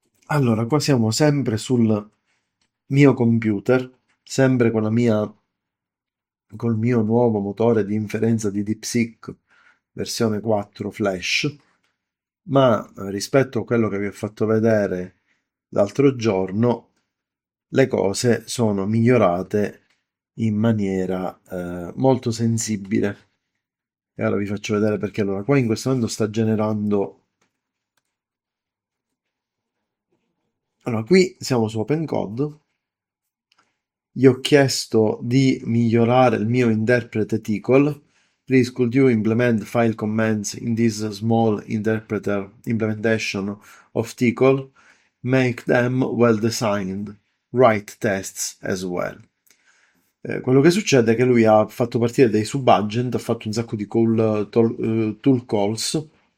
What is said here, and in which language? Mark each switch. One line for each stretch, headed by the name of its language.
Italian: Allora, qua siamo sempre sul mio computer, sempre con la mia, col mio nuovo motore di inferenza di DeepSeek versione 4 Flash, ma rispetto a quello che vi ho fatto vedere l'altro giorno, le cose sono migliorate in maniera molto sensibile. E ora vi faccio vedere perché. Allora, qua in questo momento sta generando. Allora, qui siamo su OpenCode. Gli ho chiesto di migliorare il mio interprete TCL.
English: Please, could you implement file comments in this small interpreter implementation of TCL? Make them well-designed. Write tests as well.
Italian: Quello che succede è che lui ha fatto partire dei subagent, ha fatto un sacco di tool calls.